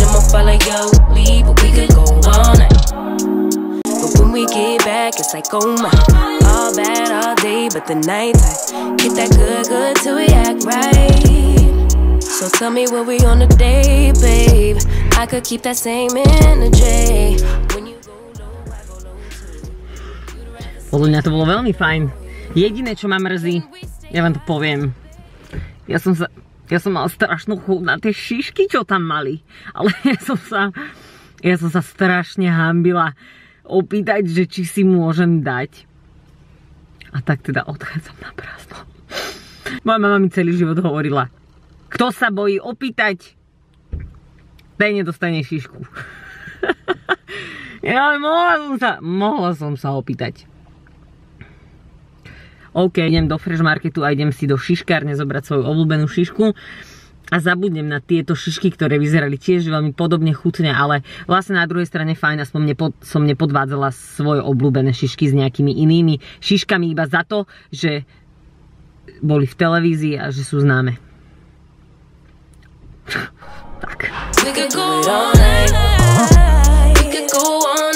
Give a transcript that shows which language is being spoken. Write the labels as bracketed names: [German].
[English] I'ma follow your lead, but we could go all night. But when we get back, it's like oh my. All bad all day, but the night time. Get that good, good till we act right. So tell me what we on a day, babe. I could keep that same energy. When you go low, I go low too. [Slovak] Podľa mňa to bolo veľmi fajn. Jediné, čo ma mrzí, ja vám to poviem. Ja som mal strašnú chuť na tie šišky, čo tam mali. Ale ja som sa strašne hanbila opýtať, že či si môžem dať. A tak teda odchádzam na prázdno. Moja mama mi celý život hovorila: kto sa bojí opýtať, ten nedostane šišku. Ja, mohla som sa opýtať. OK, idem do Fresh Marketu a idem si do šiškárne zobrať svoju obľúbenú šišku a zabudnem na tieto šišky, ktoré vyzerali tiež veľmi podobne chutne, ale vlastne na druhej strane fajn, aspoň som nepodvádzala svoje obľúbené šišky s nejakými inými šiškami iba za to, že boli v televízii a že sú známe. [English] Tak. We could go all night. We could go all night.